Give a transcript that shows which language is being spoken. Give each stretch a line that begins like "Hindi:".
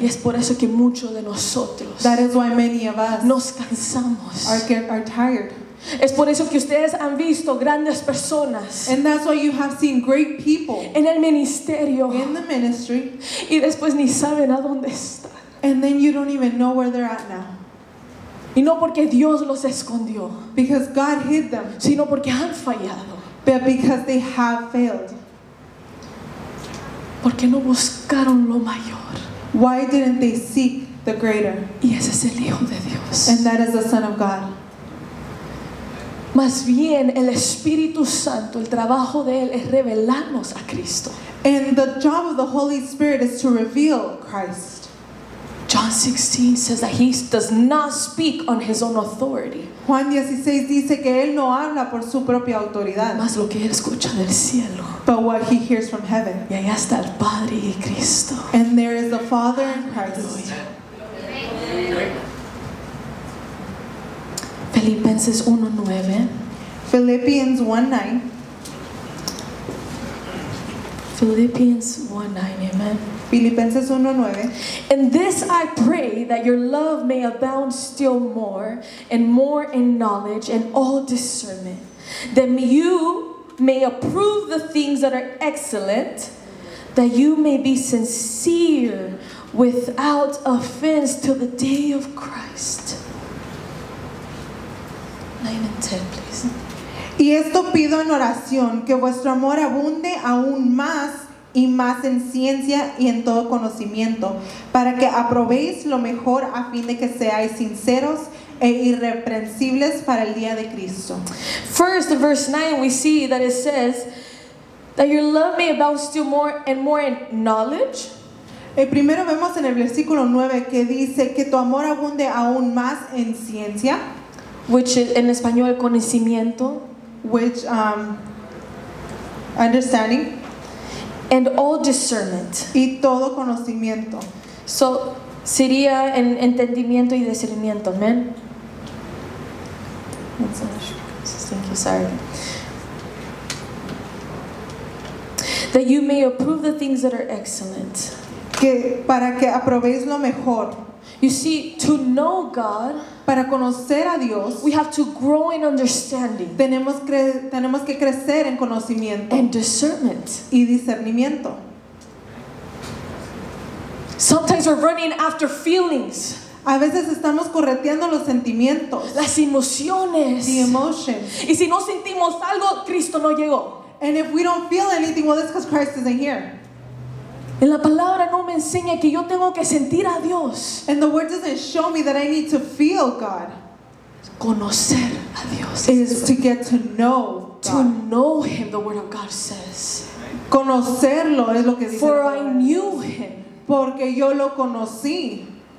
Spanish: Y es por eso que muchos de nosotros,
English: that is why many of us,
Spanish: nos cansamos.
English: Are tired.
Spanish: Es por eso que ustedes han visto grandes personas.
English: And that's why you have seen great people.
Spanish: En el ministerio.
English: In the ministry.
Spanish: Y después ni saben a dónde están.
English: And then you don't even know where they're at now.
Spanish: Y no porque Dios los escondió.
English: Because God hid them.
Spanish: Sino porque han fallado.
English: But because they have failed.
Spanish: Porque no buscaron lo mayor.
English: Why didn't they seek the greater?
Spanish: Y ese es el Hijo de Dios.
English: And that is the Son of God.
Spanish: Más bien el Espíritu Santo, el trabajo de él es revelarnos a Cristo.
English: And the job of the Holy Spirit is to reveal Christ. John 16 says that he does not speak on his own authority.
Spanish: Juan 16 dice que él no habla por su propia autoridad. Más lo que él escucha del cielo.
English: But what he hears from heaven.
Spanish: Y allá está el Padre y Cristo.
English: And there is the Father and Christ.
Spanish: Filipenses 1:9.
English: Philippians 1:9. Philippians 1:9, amen.
Spanish: Filipenses 1:9.
English: And this I pray, that your love may abound still more and more in knowledge and all discernment, that you may approve the things that are excellent, that you may be sincere without offense till the day of Christ. 9 and 10, please.
Spanish: Y esto pido en oración, que vuestro amor abunde aún más y más en ciencia y en todo conocimiento, para que aprobéis lo mejor, a fin de que seáis sinceros e irreprensibles para el día de Cristo.
English: First, verse 9, we see that it says that your love may abound still more and more in knowledge.
Spanish: Primero vemos en el versículo 9 que dice que tu amor abunde aún más en ciencia.
English: Which is,
Spanish: en español, conocimiento.
English: Which, understanding. And all discernment.
Spanish: Y todo conocimiento. So, sería en entendimiento y discernimiento, amen.
English: Thank you, sorry. That you may approve the things that are excellent.
Spanish: Que para que aprobéis lo mejor.
English: You see, to know God,
Spanish: para conocer a Dios,
English: we have to grow in understanding.
Spanish: Tenemos que crecer en conocimiento.
English: And discernment.
Spanish: Y discernimiento.
English: Sometimes we're running after feelings.
Spanish: A veces estamos correteando los sentimientos. Las emociones.
English: The emotions.
Spanish: Y si no sentimos algo, Cristo no llegó.
English: And if we don't feel anything, well, that's because Christ isn't here.
Spanish: En la palabra no me enseña que yo tengo que sentir a Dios.
English: And the word doesn't show me that I need to feel God.
Spanish: Conocer a Dios.
English: Is to get to know God. To know Him, the word of God says.
Spanish: Conocerlo es lo que dice.
English: For I knew Him.
Spanish: Porque yo lo conocí.